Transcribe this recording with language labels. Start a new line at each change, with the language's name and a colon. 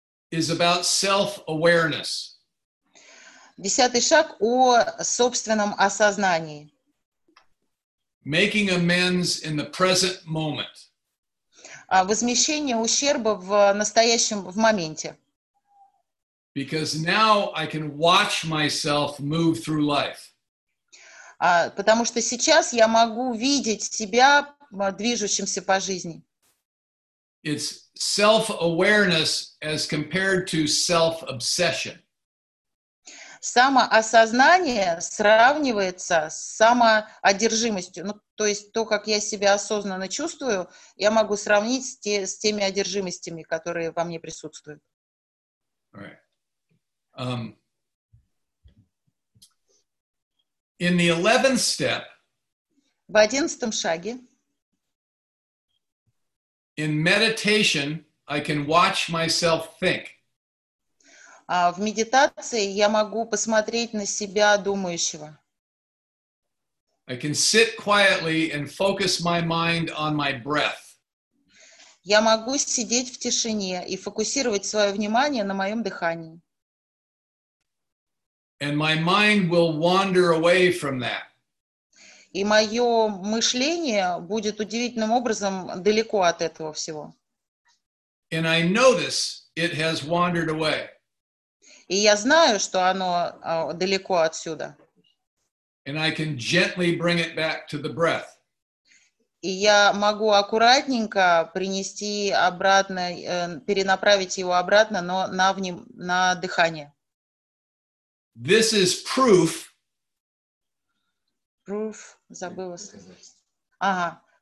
English: is about self-awareness.
Russian: Десятый шаг о собственном осознании.
English: Making amends in the present moment.
Russian: Возмещение ущерба в настоящем, в моменте.
English: Because now I can watch myself move through life.
Russian: Потому что сейчас я могу видеть себя движущимся по жизни.
English: It's self-awareness as compared to self-obsession.
Russian: Самоосознание сравнивается с самоодержимостью. Ну, то есть то, как я себя осознанно чувствую, я могу сравнить с теми одержимостями, которые во мне присутствуют.
English: In the 11th step,
Russian: в 11-м шаге,
English: in meditation, I can watch myself think.
Russian: В медитации я могу посмотреть на себя думающего.
English: I can sit quietly and focus my mind on my breath.
Russian: Я могу сидеть в тишине и фокусировать свое внимание на моем дыхании.
English: And my mind will wander away from that.
Russian: И мое мышление будет удивительным образом далеко от этого всего.
English: And I notice it has wandered away.
Russian: И я знаю, что оно далеко отсюда.
English: And I can gently bring it back to the breath.
Russian: И я могу аккуратненько принести обратно, перенаправить его обратно, но на дыхание.
English: This is proof.
Russian: Proof, забыла сказать. Ага.